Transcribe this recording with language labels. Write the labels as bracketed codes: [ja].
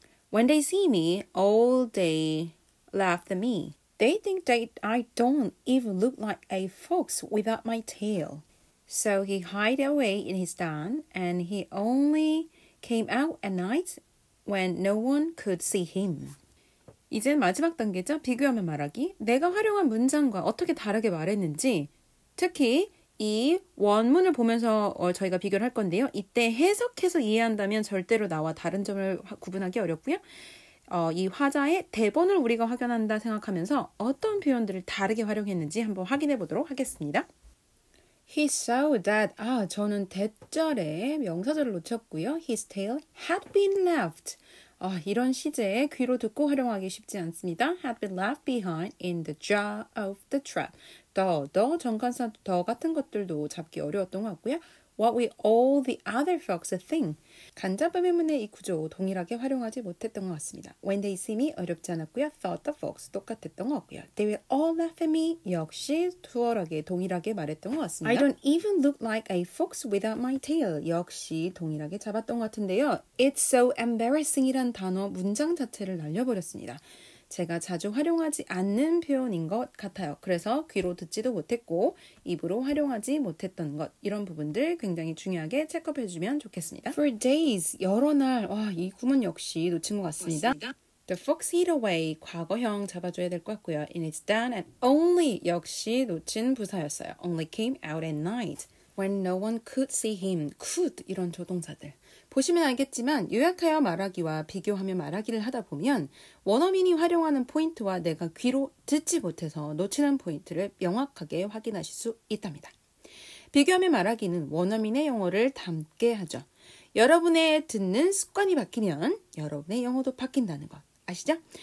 [en] When they see me, all they laugh at me. They think that I don't even look like a fox without my tail. So he hid away in his den, and he only came out at night when no one could see him. [ko] 이제 마지막 단계죠. 비교하며 말하기. 내가 활용한 문장과 어떻게 다르게 말했는지, 특히 이 원문을 보면서 저희가 비교를 할 건데요. 이때 해석해서 이해한다면 절대로 나와 다른 점을 구분하기 어렵고요. 이 화자의 대본을 우리가 확인한다 생각하면서 어떤 표현들을 다르게 활용했는지 한번 확인해 보도록 하겠습니다. [en] He saw that, [ko] 아, 저는 대절에 명사절을 놓쳤고요. [en] His tail had been left. [ko] 아, 이런 시제에 귀로 듣고 활용하기 쉽지 않습니다. [en] Had been left behind in the jaw of the trap. [ko] The 정관사 the 같은 것들도 잡기 어려웠던 것 같고요. [en] What we all the other folks think. [ko] 간접의문의 이 구조 동일하게 활용하지 못했던 것 같습니다. [en] When they see me, [ko] 어렵지 않았고요. [en] Thought the fox, [ko] 똑같았던 것 같고요. [en] They will all laugh at me, [ko] 역시 투어하게 동일하게 말했던 것 같습니다. [en] I don't even look like a fox without my tail, [ko] 역시 동일하게 잡았던 것 같은데요. [en] It's so embarrassing이란 [ko] 단어 문장 자체를 날려버렸습니다. 제가 자주 활용하지 않는 표현인 것 같아요. 그래서 귀로 듣지도 못했고 입으로 활용하지 못했던 것 이런 부분들 굉장히 중요하게 체크해 주면 좋겠습니다. [en] For days, [ko] 여러 날. 와, 이 구문 역시 놓친 것 같습니다. 맞습니다. [en] The fox hid away, [ko] 과거형 잡아줘야 될 것 같고요. [en] And it's done at only, [ko] 역시 놓친 부사였어요. [en] Only came out at night. When no one could see him, could [ko] 이런 조동사들. 보시면 알겠지만 요약하여 말하기와 비교하며 말하기를 하다 보면 원어민이 활용하는 포인트와 내가 귀로 듣지 못해서 놓치는 포인트를 명확하게 확인하실 수 있답니다. 비교하며 말하기는 원어민의 영어를 담게 하죠. 여러분의 듣는 습관이 바뀌면 여러분의 영어도 바뀐다는 것 아시죠?